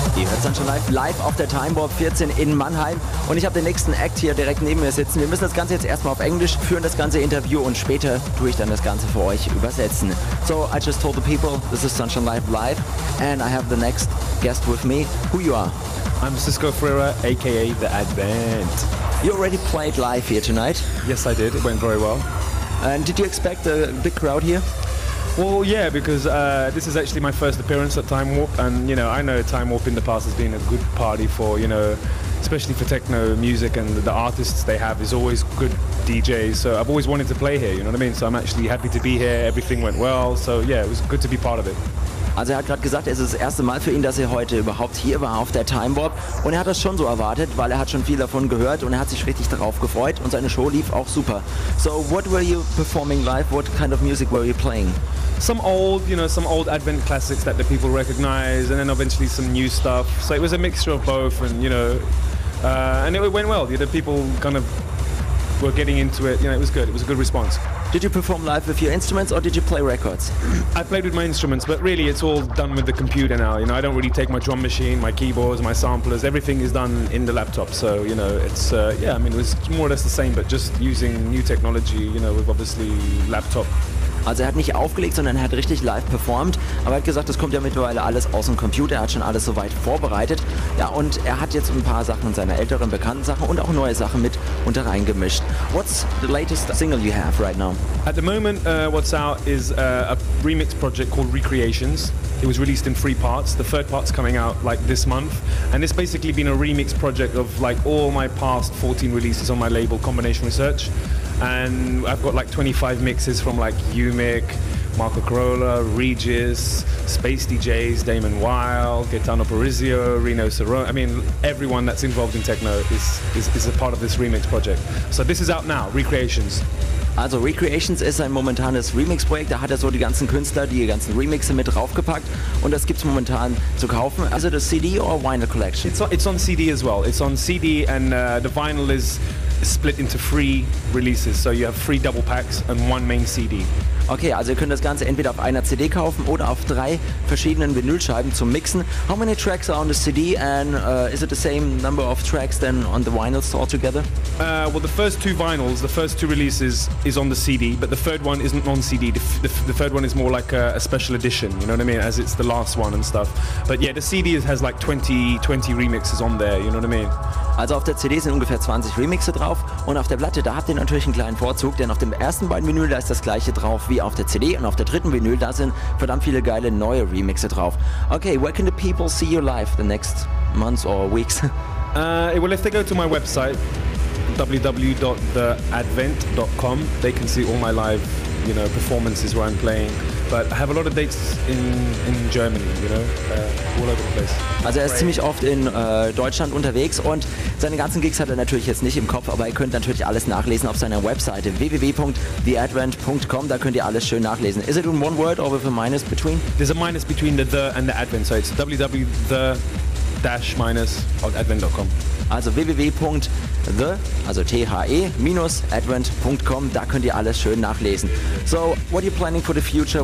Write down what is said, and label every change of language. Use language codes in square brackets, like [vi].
[de] Das dann schon live auf der Time Warp 14 in Mannheim. Und ich habe den nächsten Act hier direkt neben mir sitzen. Wir müssen das Ganze jetzt erstmal auf Englisch führen, das ganze Interview, und später tue ich dann das Ganze für euch übersetzen. [en] So, I just told the people, this is Sunshine Live, and I have the next guest with me. Who you are? I'm Cisco Ferreira, aka The Advent. You already played live here tonight? Yes, I did. It went very well. And did you expect a big crowd here? Well, yeah, because this is actually my first appearance at Time Warp, and you know, I know Time Warp in the past has been a good party for, you know, especially for techno music, and the artists they have is always good DJs, so I've always wanted to play here, you know what I mean? So I'm actually happy to be here, everything went well, so yeah, it was good to be part of it. [de] Also er hat gerade gesagt, es ist das erste Mal für ihn, dass er heute überhaupt hier war auf der Time Warp, und er hat das schon so erwartet, weil er hat schon viel davon gehört und er hat sich richtig darauf gefreut und seine Show lief auch super. [en] So what were you performing live? What kind of music were you playing? Some old, you know, some old Advent classics that the people recognize, and then eventually some new stuff. So it was a mixture of both, and you know, and it went well. The people kind of were getting into it. You know, it was good. It was a good response. Did you perform live with your instruments or did you play records? I played with my instruments, but really it's all done with the computer now. You know, I don't really take my drum machine, my keyboards, my samplers. Everything is done in the laptop. So, you know, it's, yeah, I mean, it was more or less the same, but just using new technology, you know, with obviously laptop. [de] Also er hat nicht aufgelegt, sondern er hat richtig live performt. Aber er hat gesagt, das kommt ja mittlerweile alles aus dem Computer. Er hat schon alles soweit vorbereitet. Ja, und er hat jetzt ein paar Sachen seiner älteren, bekannten Sachen und auch neue Sachen mit unter reingemischt. [en] What's the latest single you have right now? At the moment, what's out is a remix project called Recreations. It was released in 3 parts. The 3rd part's coming out like this month. And it's basically been a remix project of like all my past 14 releases on my label, Combination Research. And I've got like 25 mixes from like Umic, Marco Carolla, Regis, Space DJs, Damon Wild, Gaetano Parizio, Rino Cerone. I mean, everyone that's involved in techno is a part of this remix project. So this is out now, Recreations. [de] Also Recreations ist ein momentanes Remix-Projekt. Da hat er so die ganzen Künstler, die ganzen Remixe mit draufgepackt. Und das gibt's momentan zu kaufen. [en] Is it a CD or a vinyl collection? It's on CD as well. It's on CD and the vinyl is split into 3 releases, so you have 3 double packs and 1 main CD. [de] Okay, also ihr könnt das Ganze entweder auf einer CD kaufen oder auf 3 verschiedenen Vinylscheiben zum Mixen. [en] How many tracks are on the CD and is it the same number of tracks than on the vinyls altogether? Well, the first 2 vinyls, the first 2 releases is on the CD, but the 3rd one isn't on CD. The 3rd one is more like a special edition, you know what I mean, as it's the last one and stuff. But yeah, the CD has like 20 remixes on there, you know what I mean? [de] Also auf der CD sind ungefähr 20 Remixe drauf und auf der Platte, da habt ihr natürlich einen kleinen Vorzug, denn auf dem ersten beiden Vinyl, da ist das gleiche drauf wie auf der CD, und auf der 3rd Vinyl, da sind verdammt viele geile neue Remixe drauf. [en] Okay, where can the people see you live the next months or weeks? Well, if they go to my website, www.theadvent.com, they can see all my live, you know, performances where I'm playing. But I have a lot of dates in Germany, you know, all over the place. [de] Also er ist ziemlich oft in Deutschland unterwegs und seine ganzen Gigs hat er natürlich jetzt nicht im Kopf, aber ihr könnt natürlich alles nachlesen auf seiner Webseite www.theadvent.com, da könnt ihr alles schön nachlesen. [en] Is it in one word or with a minus between? There's a minus between the and the advent, so it's www.the-advent.com. [de] Also www.the, also THE-advent.com, da könnt ihr alles schön nachlesen. [en] So, what are you planning for the future?